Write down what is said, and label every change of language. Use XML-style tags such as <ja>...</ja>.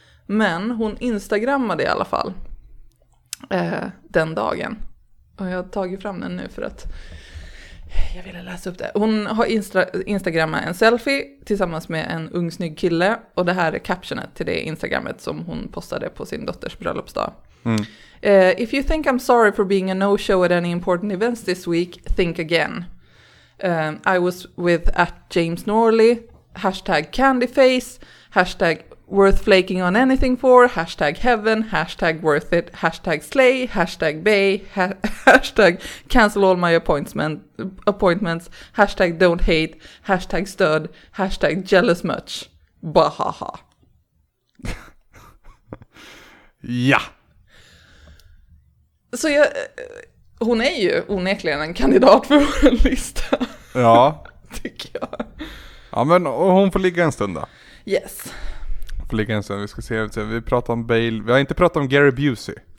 <sv>Men hon instagrammade i alla fall den dagen. Och jag har tagit fram den nu för att jag ville läsa upp det. Hon har instagrammat en selfie tillsammans med en ung snygg kille. Och det här är captionet till det instagrammet som hon postade på sin dotters bröllopsdag. Mm.</sv> <en>If you think I'm sorry for being a no-show at any important events this week, think again. I was with at James Norley, # candyface, # worth flaking on anything for, # heaven, # worth it, # slay, # bay, # cancel all my appointments, # don't hate, # stud, # jealous much, bahaha.</en> <sv>Ja. Så jag, hon är ju onekligen en kandidat för vår lista. Ja. Tycker jag. Ja, men hon får ligga en stund då.</sv> <en>Yes.</en> <sv>För ligga en stund, vi ska se. Vi pratar om Bale. Vi har inte pratat om Gary Busey.</sv>